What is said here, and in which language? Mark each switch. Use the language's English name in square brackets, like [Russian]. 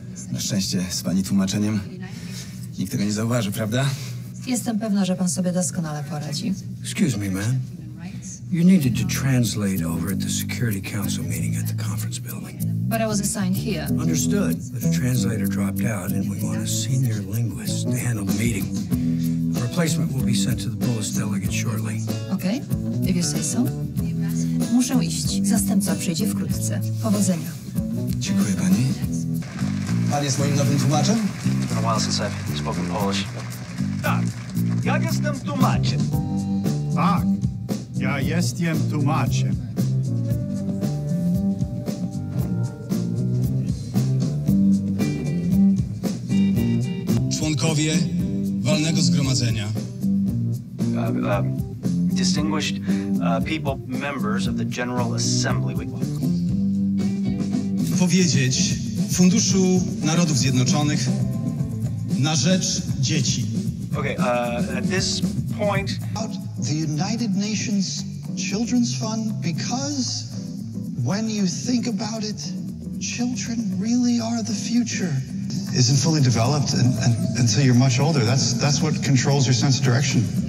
[Polish] Na szczęście z pani tłumaczeniem nikt tego nie zauważy, prawda? Jestem pewna, że pan sobie doskonale poradzi. [English] Excuse me, ma'am. You needed to translate over at the Security Council meeting at the conference building. But I was assigned here. Understood. But a translator dropped out, and we want a senior linguist to handle the meeting. A replacement will be sent to the Polish delegate shortly. Okay, if you say so. [Polish] Muszę iść. Zastępca przyjdzie wkrótce. Powodzenia. Dziękuję pani. Pan jest moim nowym tłumaczem? [English] It's been a while since I've spoken Polish. [Polish] Tak, ja jestem tłumaczem. Tak, ja jestem tłumaczem. Członkowie Walnego Zgromadzenia. [English] Distinguished people, members of the General Assembly. [Polish] Powiedzieć Funduszu Narodów Zjednoczonych na rzecz dzieci. [English] Okay, at this point... About the United Nations Children's Fund, because when you think about it, children really are the future. Isn't fully developed until you're much older. That's what controls your sense of direction.